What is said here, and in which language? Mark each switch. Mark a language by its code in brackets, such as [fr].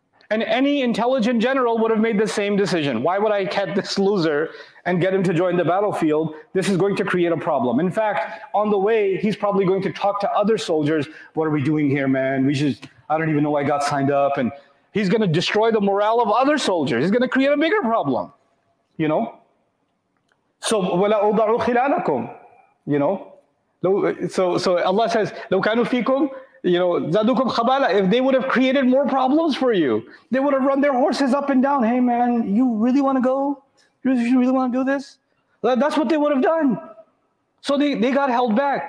[en] And any intelligent general would have made the same decision. Why would I catch this loser and get him to join the battlefield? This is going to create a problem. In fact, on the way, he's probably going to talk to other soldiers. What are we doing here, man? I don't even know why I got signed up. And he's going to destroy the morale of other soldiers. He's going to create a bigger problem. You know? [ar] So, وَلَا أُضَعُ خِلَالَكُمْ. [en] You know? So Allah says, [ar] لَوْ كَانُوا فِيكُمْ, [en] you know, [ar] زَادُوكُمْ خَبَالًا, [en] if they would have created more problems for you, they would have run their horses up and down. Hey man, you really want to go? You really want to do this? That's what they would have done. So they got held back.